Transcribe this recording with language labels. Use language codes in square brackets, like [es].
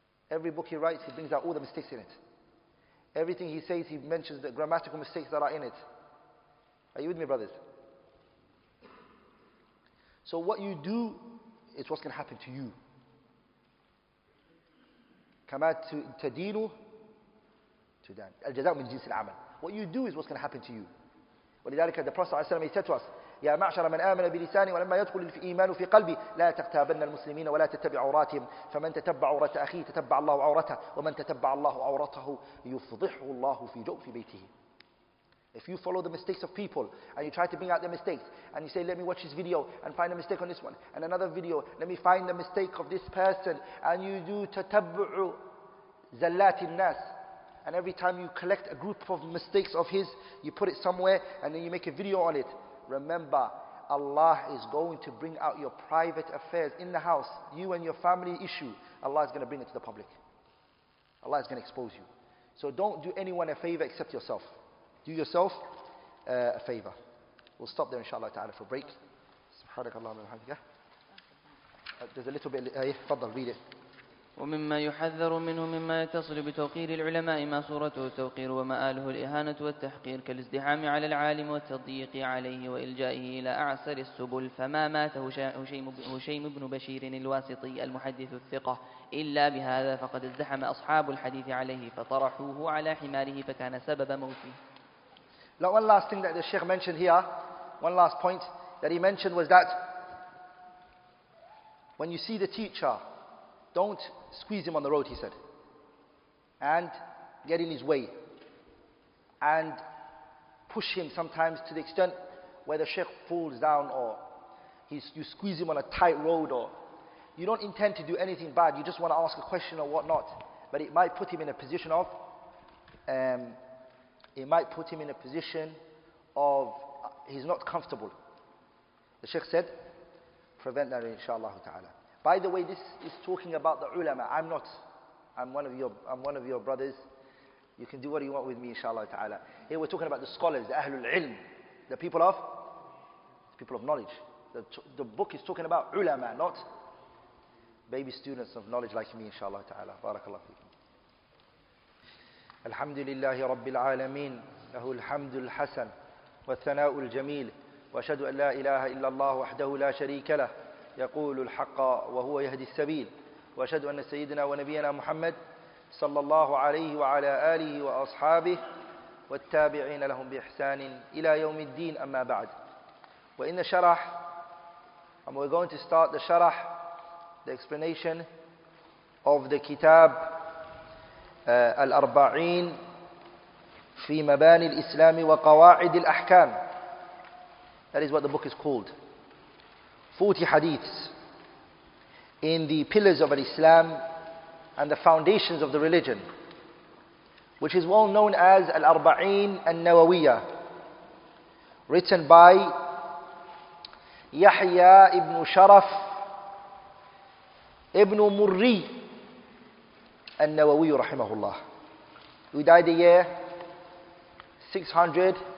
[en] Every book he writes, he brings out all the mistakes in it. Everything he says, he mentions the grammatical mistakes that are in it. Are you with me, brothers? So what you do is what's going to happen to you. [ar] كَمَا تَدِينُ تُدَانِ الْجَزَاءُ مِنْ جِنْسِ الْعَمَلِ. [en] What you do is what's going to happen to you. [ar] وَلِذَلِكَ [en] the Prophet ﷺ, he said to us, [ar] يَا مَعْشَرَ مَنْ آمَنَ بِلِسَانِ وَلَمَّا يَدْخُلِ الْإِيمَانُ فِي قَلْبِي لَا تَقْتَابَنَّ الْمُسْلِمِينَ وَلَا تَتَّبِعُ عَوْرَاتِهِمْ فَمَنْ تَتَّبَّعَ عَوْرَةَ أَخِيهِ تَتَّبَّعَ اللَّهُ عَوْرَتَهُ وَمَنْ تَتَّبَّعَ اللَّهُ عَوْرَتَهُ يُفْضِحُهُ اللَّهُ فِي جَوْفِ بَيْتِهِ. [en] If you follow the mistakes of people and you try to bring out their mistakes and you say, let me watch this video and find a mistake on this one and another video, let me find the mistake of this person, and you do [ar] tatabu'u zallati nas, [en] and every time you collect a group of mistakes of his, you put it somewhere and then you make a video on it. Remember, Allah is going to bring out your private affairs in the house, you and your family issue. Allah is going to bring it to the public. Allah is going to expose you. So don't do anyone a favor except yourself. Do yourself a favor. We'll stop there, inshallah ta'ala, for a break. [ar] سبحانك اللهم وبحمدك. [en] There's a little bit. تفضل, read it. [ar] ومما يحذر منه مما يتصل بتوقير العلماء ما صورته التوقير ومآله الإهانة والتحقير كالازدحام على العالم والتضييق عليه وإلجائه إلى أعسر السبل فما مات هشيم بن بشير الواسطي المحدث الثقة إلا بهذا فقد ازدحم أصحاب الحديث عليه فطرحوه على حماره فكان سبب موته. [en] Now one last thing that the Sheikh mentioned here, one last point that he mentioned was that when you see the teacher, don't squeeze him on the road, he said, and get in his way and push him sometimes to the extent where the Sheikh falls down or you squeeze him on a tight road, or you don't intend to do anything bad, you just want to ask a question or whatnot, but it might put him in a position of he's not comfortable. The Sheikh said, prevent that inshallah ta'ala. By the way, this is talking about the ulama. I'm one of your brothers. You can do what you want with me inshallah ta'ala. Here we're talking about the scholars, the ahlul ilm, the people of knowledge. The book is talking about ulama, not baby students of knowledge like me inshallah ta'ala. Barakallahu feekum. [ar] الحمد لله رب العالمين له الحمد الحسن والثناء الجميل وأشهد أن لا إله إلا الله وحده لا شريك له يقول الحق وهو يهدي السبيل وأشهد أن سيدنا ونبينا محمد صلى الله عليه وعلى آله وأصحابه والتابعين لهم بإحسان إلى يوم الدين أما بعد وإن شرح [en] and we're going to start the شرح the explanation of the كتاب الأربعين في مباني الإسلام وقواعد الأحكام. That is what the book is called. 40 hadiths in the pillars of Islam and the foundations of the religion, which is well known as الأربعين النووية, written by يحيى ابن شرف ابن مري النووي رحمه الله. We died the year 600